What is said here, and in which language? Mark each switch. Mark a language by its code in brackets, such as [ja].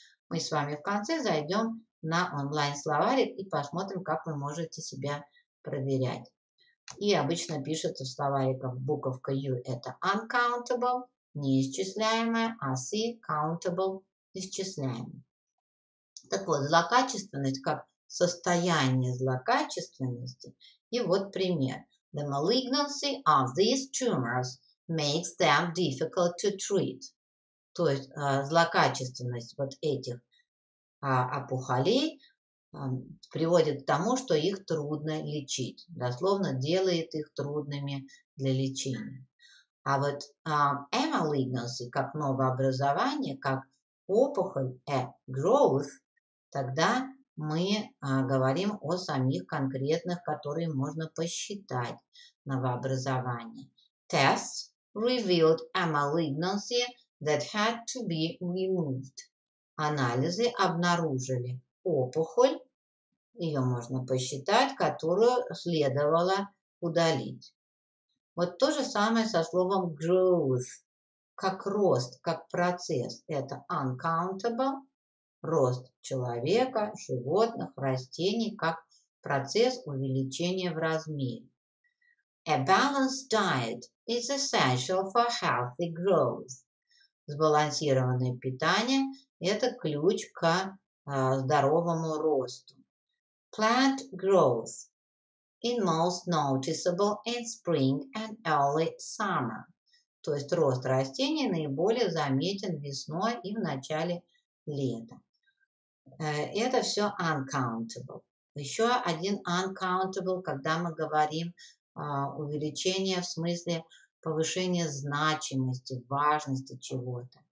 [ru] Мы с вами в конце зайдем на онлайн-словарик и посмотрим, как вы можете себя проверять. И обычно пишется в словариках буковка U – это uncountable, неисчисляемое, а C – countable, исчисляемое. Так вот, злокачественность как состояние злокачественности. И вот пример. [en] The malignancy of these tumors makes them difficult to treat. [ru] То есть злокачественность вот этих опухолей приводит к тому, что их трудно лечить. Дословно делает их трудными для лечения. А вот malignancy, как новообразование, как опухоль, growth, тогда мы говорим о самих конкретных, которые можно посчитать новообразование. [en] Test revealed a malignancy that had to be removed. [ru] Анализы обнаружили опухоль, ее можно посчитать, которую следовало удалить. Вот то же самое со словом growth. как рост, как процесс. Это uncountable, рост человека, животных, растений, как процесс увеличения в размере. [en] A balanced diet is essential for healthy growth. [ru] Сбалансированное питание – это ключ к здоровому росту. [en] Plant growth is most noticeable in spring and early summer. [ru] То есть рост растений наиболее заметен весной и в начале лета. Это все uncountable. Еще один uncountable, когда мы говорим увеличение в смысле повышения значимости, важности чего-то.